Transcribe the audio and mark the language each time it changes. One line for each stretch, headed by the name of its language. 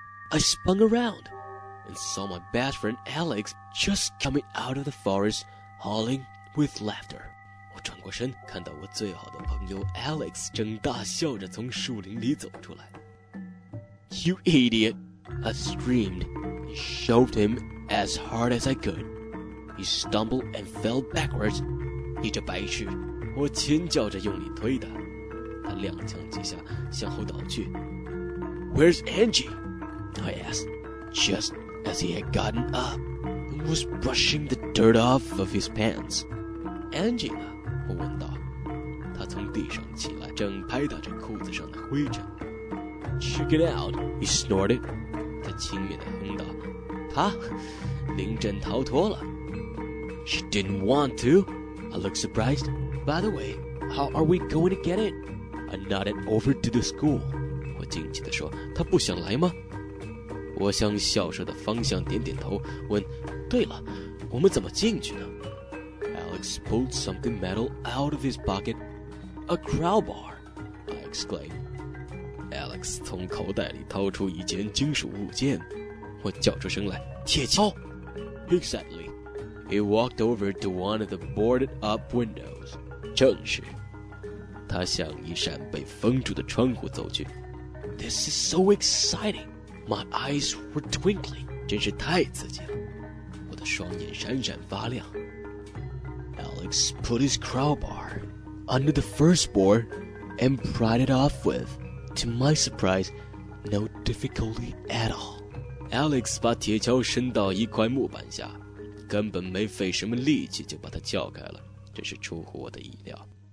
English: I spun around and saw my best friend Alex just coming out of the forest howling with laughter.
Chinese: 我转过身，看到我最好的朋友 Alex 正大笑着从树林里走出来。
English: You idiot! I screamed and shoved him as hard as I could. He stumbled and fell backwards.
Chinese: 你这白痴！我尖叫着用力推他。他踉跄几下向后倒去。
English: Where's Angie? I asked, just as he had gotten up and was brushing the dirt off of his pants.
Chinese: Angie 呢？我问道。他从地上起来，正拍打着裤子上的灰尘。
English: Check it out, he snorted.
Chinese: 他轻蔑地哼道，他临阵逃脱了。
English: She didn't want to. I looked surprised. By the way, how are we going to get it? I nodded over to the school.
Chinese: 我惊奇地说，他不想来吗？我向校舍的方向点点头，问，对了，我们怎么进去呢？
English: Alex pulled something metal out of his pocket. A crowbar, I exclaimed.
Chinese: Alex 从口袋里掏出一件金属物件，我叫出声来，铁锹。
English: Exactly. He walked over to one of the boarded up windows.
Chinese: 正是。他向一扇被封住的窗户走去。
English: This is so exciting. My eyes were twinkling.
Chinese: 真是太刺激了。我的双眼闪闪发亮。
English: Alex put his crowbar under the first board and pried it off with, to my surprise, no difficulty at all.
Chinese: Alex 把铁锹伸到一块木板下，根本没费什么力气就把它撬开了，真是出乎我的意料。